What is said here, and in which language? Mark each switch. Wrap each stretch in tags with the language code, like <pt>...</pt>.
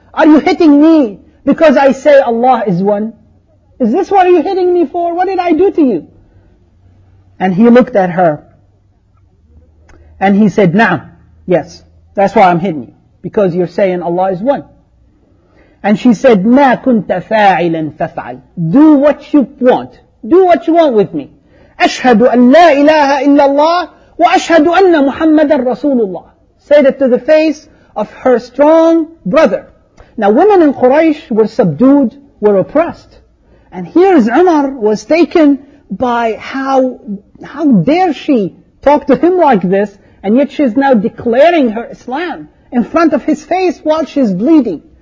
<en>Are you hitting me because I say Allah is one? Is this what you're hitting me for? What did I do to you? And he looked at her and he said, Na'am, yes, that's why I'm hitting you, because you're saying Allah is one. And she said,</en> <ar>مَا كُنْتَ فَاعِلًا فَفْعَلْ.</ar> <en>Do what you want. Do what you want with me.</en> <ar>أشهد أن لا إله إلا الله وأشهد أن محمد رسول الله.</ar> <en>Said it to the face of her strong brother. Now women in Quraysh were subdued, were oppressed. And here is Umar was taken by how dare she talk to him like this, and yet she is now declaring her Islam in front of his face while she's bleeding.</en>